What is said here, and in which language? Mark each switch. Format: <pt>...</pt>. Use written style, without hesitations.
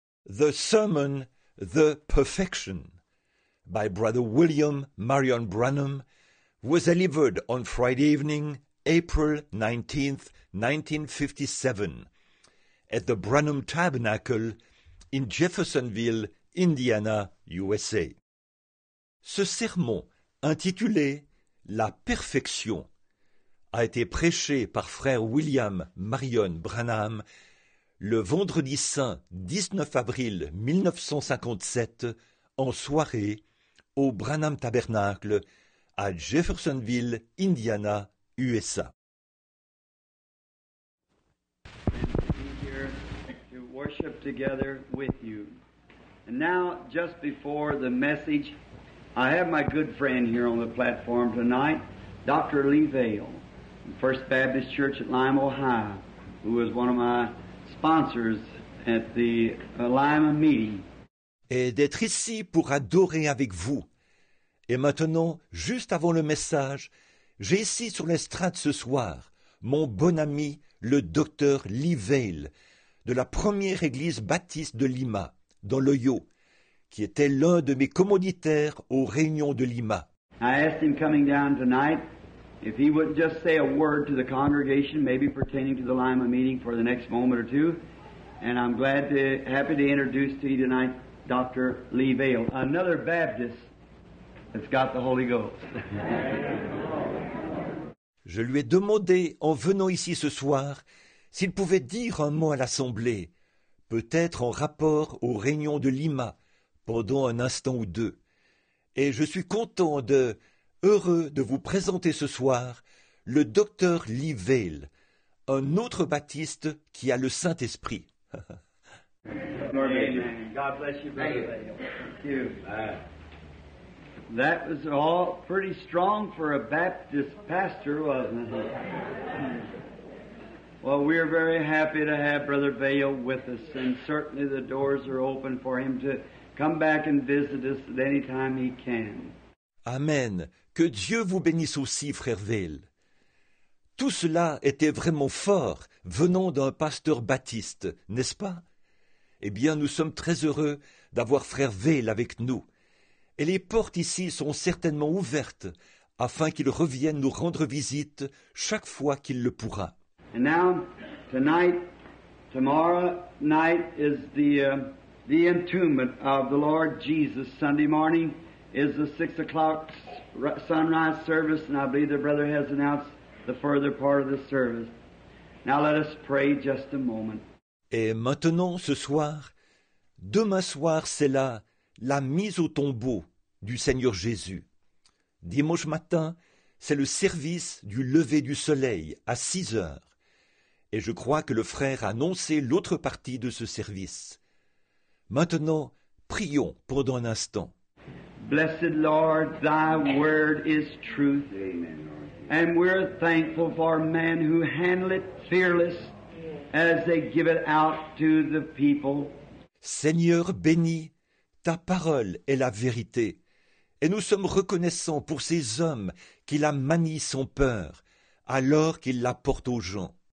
<en>The Sermon, The Perfection, by Brother William Marion Branham, was delivered on Friday evening, April 19, 1957, at the Branham Tabernacle in Jeffersonville, Indiana, USA.</en> <fr>Ce sermon, intitulé « La Perfection », a été prêché par Frère William Marion Branham le vendredi saint 19 avril 1957 en soirée au Branham Tabernacle à Jeffersonville, Indiana, USA.</fr> <en>And to be here to worship together with you. And now, just before the message, I have my good friend here on the platform tonight, Dr. Lee Vale, First Baptist Church at Lima, Ohio, who is one of my sponsors at the Lima meeting.</en> <fr>Et d'être ici pour adorer avec vous. Et maintenant, juste avant le message, j'ai ici sur l'estrade ce soir mon bon ami, le docteur Lee Vale, de la première église baptiste de Lima, dans l'Ohio, qui était l'un de mes commanditaires aux réunions de Lima.</fr> <en>I asked him coming down tonight if he would just say a word to the congregation, maybe pertaining to the Lima meeting for the next moment or two. And I'm happy to introduce to you tonight Dr. Lee Vale, another Baptist that's got the Holy Ghost.</en> <fr>Je lui ai demandé, en venant ici ce soir, s'il pouvait dire un mot à l'Assemblée, peut-être en rapport aux réunions de Lima, pendant un instant ou deux. Et je suis heureux de vous présenter ce soir le docteur Lee Vale, un autre baptiste qui a le Saint-Esprit.</fr> <en>Amen. God bless you, Brother Vale. Thank you. That was all pretty strong for a Baptist pastor, wasn't it? Well, we are very happy to have Brother Vale with us, and certainly the doors are open for him to come back and visit us at any time he can. Amen.</en> <fr>Que Dieu vous bénisse aussi, frère Vale. Tout cela était vraiment fort, venant d'un pasteur baptiste, n'est-ce pas? Eh bien, nous sommes très heureux d'avoir frère Vale avec nous. Et les portes ici sont certainement ouvertes, afin qu'il revienne nous rendre visite chaque fois qu'il le pourra.</fr> <en>And now, tonight, tomorrow night is the entombment of the Lord Jesus. Sunday morning is the 6 o'clock sunrise service, and I believe the brother has announced the further part of the service. Now let us pray just a moment.</en> <fr>Et maintenant, ce soir, demain soir, c'est la mise au tombeau du Seigneur Jésus. Dimanche matin, c'est le service du lever du soleil à 6 heures. Et je crois que le frère a annoncé l'autre partie de ce service. Maintenant, prions pendant un instant.</fr> <en>Blessed Lord, thy word is truth. And we're thankful for men who handle it fearless as they give it out to the people.</en> <fr>Seigneur béni, ta parole est la vérité. Et nous sommes reconnaissants pour ces hommes qui la manient sans peur alors qu'ils la portent aux gens.</fr>